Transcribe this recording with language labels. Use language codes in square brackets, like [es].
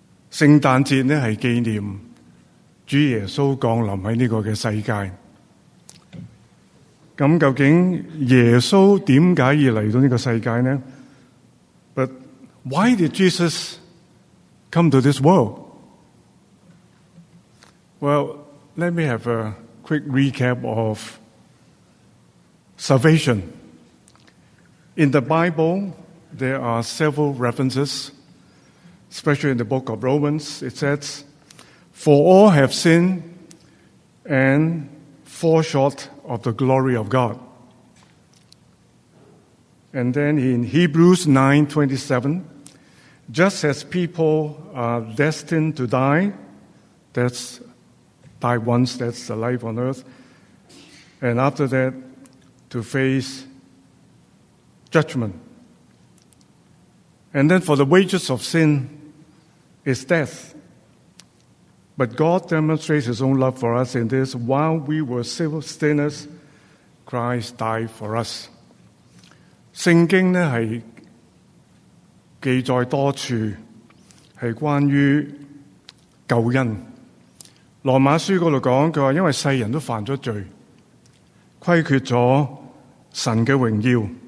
[zh] 圣诞节呢是纪念主耶稣降临在这个的世界。那究竟耶稣为什么要来到这个世界呢？ [en] But why did Jesus come to this world? Well, let me have a quick recap of salvation. In the Bible, there are several references, especially in the book of Romans. It says, "For all have sinned and fall short of the glory of God." And then in Hebrews 9:27,just as people are destined to die, that's die once, that's the life on earth, and after that, to face judgment. And then for the wages of sin is death. But God demonstrates his own love for us in this, while we were still sinners, Christ died for us. [zh] 圣经呢是记载多处是关于救恩。罗马书那里讲，他说因为世人都犯了罪，亏缺了神的荣耀，